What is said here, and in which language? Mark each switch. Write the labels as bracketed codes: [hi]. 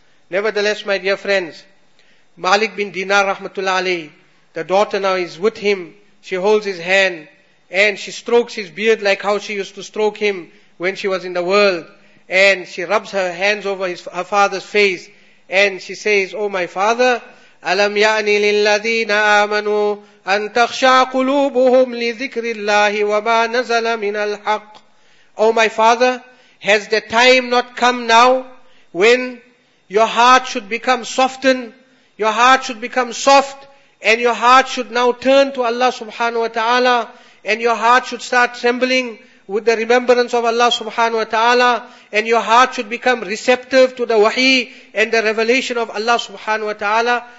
[en] Nevertheless, my dear friends, Malik bin Dinar rahmatullah alayhi, the daughter now is with him. She holds his hand and she strokes his beard like how she used to stroke him when she was in the world. And she rubs her hands over her father's face And she says, "O my father, [ar] أَلَمْ يَعْنِ لِلَّذِينَ آمَنُوا أَن تَخْشَعَ قُلُوبُهُمْ لِذِكْرِ اللَّهِ وَمَا نَزَلَ مِنَ الْحَقِّ." [en] O my father, has the time not come now when your heart should become softened, your heart should become soft, and your heart should now turn to Allah subhanahu wa ta'ala, and your heart should start trembling with the remembrance of Allah subhanahu wa ta'ala, and your heart should become receptive to the wahi and the revelation of Allah subhanahu wa ta'ala?